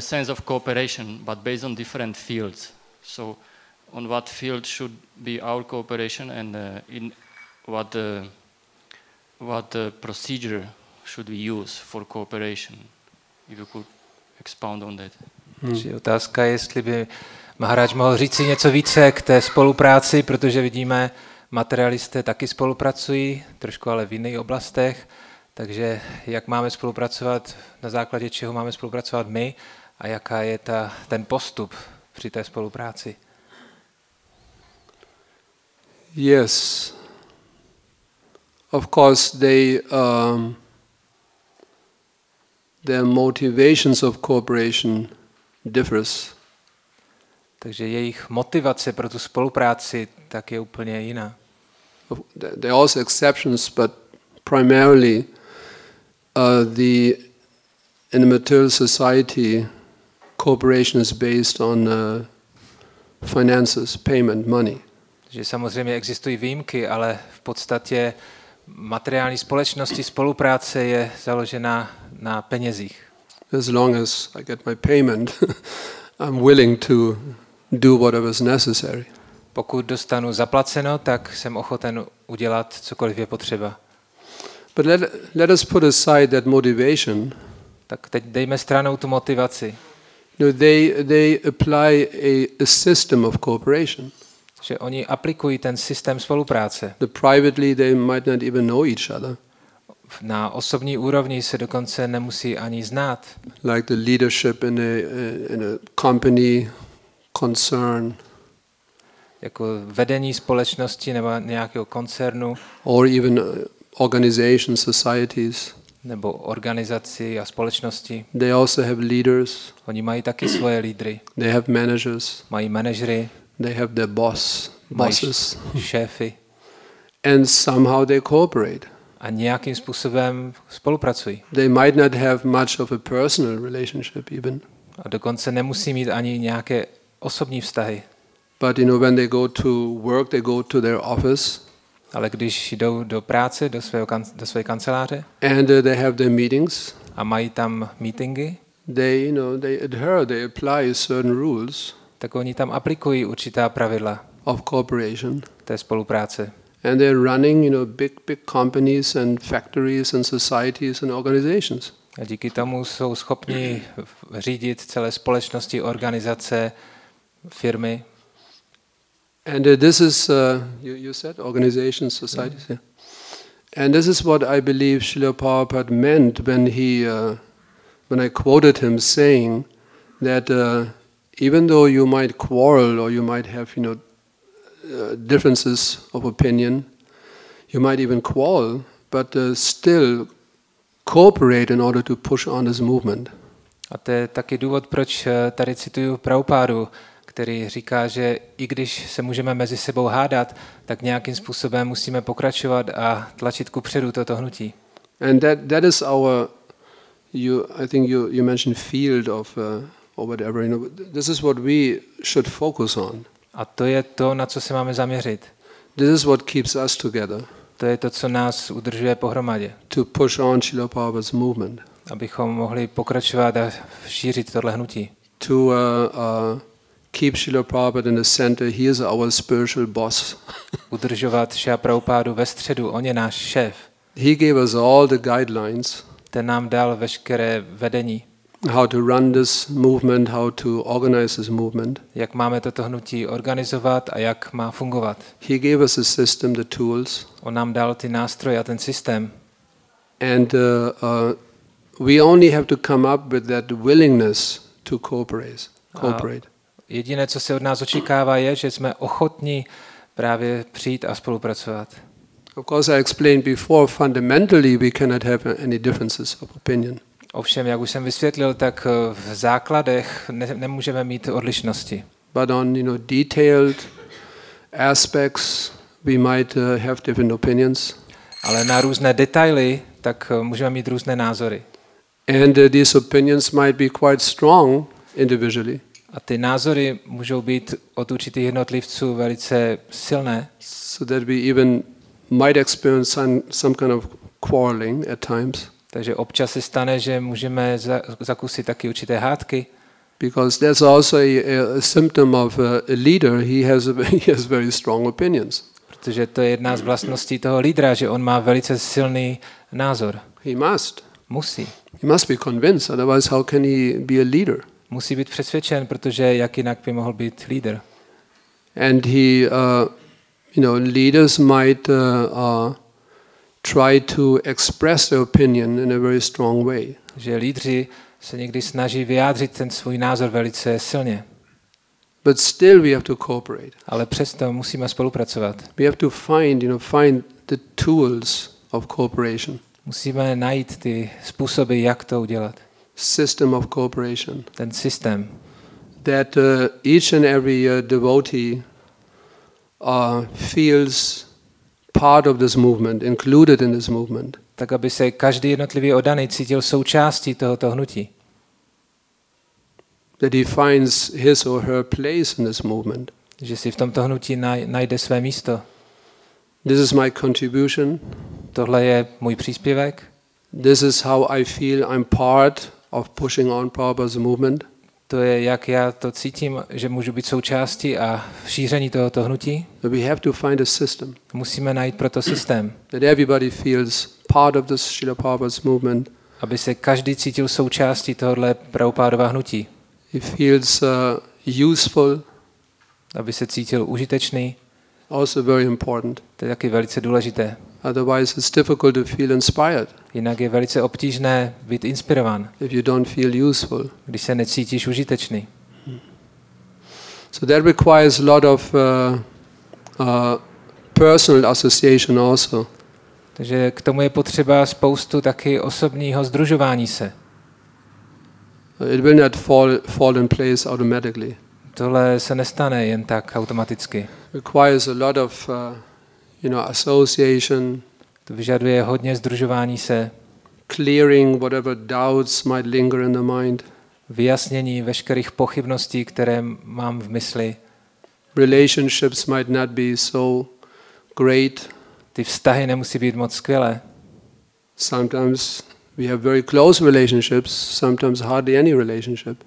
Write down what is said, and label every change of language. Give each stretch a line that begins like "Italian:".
English: sense of cooperation, but based on different fields. So, on what field should be our cooperation, and in what procedure should we use for cooperation? If you could expound on that.
Czech: Otázka je, jestli by Maharaj mohl říci něco více k té spolupráci, protože vidíme, materialisté taky spolupracují, trošku ale v jiných oblastech, takže jak máme spolupracovat, na základě čeho máme spolupracovat my a jaká je ten postup při té spolupráci?
English: Yes. Of course, their motivations of cooperation differs.
Czech: Takže jejich motivace pro tu spolupráci tak je úplně jiná.
English: There are also exceptions, but primarily the in the material society, cooperation is based on finances, payment, money.
Czech: Že samozřejmě existují výjimky, ale v podstatě materiální společnosti spolupráce je založena na penězích.
English: As long as I get my payment, I'm willing to do whatever is necessary.
Czech: Pokud dostanu zaplaceno, tak jsem ochoten udělat cokoliv je potřeba.
English: But let us put aside that motivation.
Czech: Tak teď dejme stranou tu motivaci.
English: No, they apply a system of cooperation.
Czech: Že oni aplikují ten systém spolupráce.
English: The privately they might not even know each other.
Czech: Na osobní úrovni se dokonce nemusí ani znát.
English: Like the leadership in a company concern.
Czech: Jako vedení společnosti nebo nějakého koncernu,
English: or even organizations, societies,
Czech: nebo organizaci a společnosti.
English: They also have leaders.
Czech: Oni mají taky svoje lídry.
English: They have managers.
Czech: Mají manažery.
English: They have their bosses.
Czech: Šéfy.
English: And somehow they cooperate.
Czech: A nějakým způsobem spolupracují.
English: They might not have much of a personal relationship even.
Czech: A dokonce nemusí mít ani nějaké osobní vztahy.
English: But you know, when they go to work, they go to their office.
Czech: Ale když jdou do práce, do své kanceláře.
English: And they have their meetings.
Czech: A mají tam meetingy.
English: They, you know, they adhere, they apply certain rules.
Czech: Tak oni tam aplikují určitá pravidla.
English: Of cooperation.
Czech: Té spolupráce.
English: And they're running, you know, big companies and factories and societies and organizations.
Czech: A díky tomu jsou schopni řídit celé společnosti, organizace, firmy.
English: And this is you said organizations, societies. Yeah. And this is what I believe Srila Prabhupada meant when I quoted him saying that even though you might quarrel or you might have, you know, differences of opinion, you might even quarrel, but still cooperate in order to push on this movement.
Czech: A to je taky důvod, proč tady cituju Prabhupádu, který říká, že i když se můžeme mezi sebou hádat, tak nějakým způsobem musíme pokračovat a tlačit kupředu toto hnutí.
English: And that is our I think you mentioned field of or whatever, you know, this is what we should focus on.
Czech: A to je to, na co se máme zaměřit.
English: This is what keeps us together.
Czech: To je to, co nás udržuje pohromadě.
English: To push on Srila Prabhupada's movement.
Czech: Abychom mohli pokračovat a šířit tohle hnutí.
English: To keep Srila Prabhupada in the center. He is our spiritual boss.
Czech: Udržovat Srila Prabhupádu ve středu. On je náš šéf.
English: He gave us all the guidelines.
Czech: Ten nám dal veškeré vedení.
English: How to run this movement, how to organize this movement.
Czech: Jak máme toto hnutí organizovat a jak má fungovat.
English: He gave us a system, the tools.
Czech: On nám dal ty nástroje a ten systém.
English: And we only have to come up with that willingness to cooperate.
Czech: Jediné, co se od nás očekává, je, že jsme ochotní právě přijít a spolupracovat.
English: Of course, I explained before, fundamentally we cannot have any differences of opinion.
Czech: Ovšem, jak už jsem vysvětlil, tak v základech nemůžeme mít odlišnosti.
English: But on, you know, detailed aspects we might have different opinions.
Czech: Ale na různé detaily tak můžeme mít různé názory.
English: And these opinions might be quite strong individually.
Czech: A ty názory můžou být od určitých jednotlivců velice silné.
English: So that we even might experience some kind of quarreling at times.
Czech: Takže občas se stane, že můžeme zakusit taky určité hádky.
English: Because there's also a symptom of a leader, he has very strong opinions.
Czech: Protože to je jedna z vlastností toho lídra, že on má velice silný názor.
English: He must.
Czech: Musí.
English: He must be convinced, otherwise how can he be a leader?
Czech: Musí být přesvědčen, protože jak jinak by mohl být lídr?
English: And he leaders might try to express their opinion in a very strong way.
Czech: Že lídři se někdy snaží vyjádřit ten svůj názor velice silně.
English: But still we have to cooperate.
Czech: Ale přesto musíme spolupracovat.
English: We have to find the tools of cooperation.
Czech: Musíme najít ty způsoby, jak to udělat.
English: System of cooperation.
Czech: Ten systém.
English: That each and every devotee feels part of this movement, included in this movement.
Czech: Tak aby se každý jednotlivý oddaný cítil součástí tohoto hnutí.
English: That he finds his or her place in this movement.
Czech: Že si v tomto hnutí najde své místo.
English: This is my contribution.
Czech: Tohle je můj příspěvek.
English: This is how I feel I'm part of pushing on Prabhupada's movement.
Czech: To je, jak já to cítím, že můžu být součástí a v šíření tohoto hnutí.
English: But we have to find a system.
Czech: Musíme najít proto systém.
English: That everybody feels part of this Srila Prabhupada's movement.
Czech: Aby se každý cítil součástí tohoto Prabhupádova hnutí.
English: He feels useful.
Czech: Aby se cítil užitečný.
English: Also very important.
Czech: To je taky velice důležité.
English: Otherwise it's difficult to feel inspired.
Czech: Jinak je velice obtížné být inspirován.
English: If you don't feel useful.
Czech: Když se necítíš užitečný.
English: So that requires a lot of personal association also.
Czech: Takže k tomu je potřeba spoustu taky osobního sdružování se.
English: It will not fall in place automatically.
Czech: Tohle se nestane jen tak automaticky.
English: Requires a lot of association.
Czech: To vyžaduje hodně sdružování se.
English: Clearing whatever doubts might linger in the mind.
Czech: Vyjasnění veškerých pochybností, které mám v mysli.
English: Relationships might not be so great.
Czech: Ty vztahy nemusí být moc skvělé.
English: Sometimes we have very close relationships, sometimes hardly any relationship.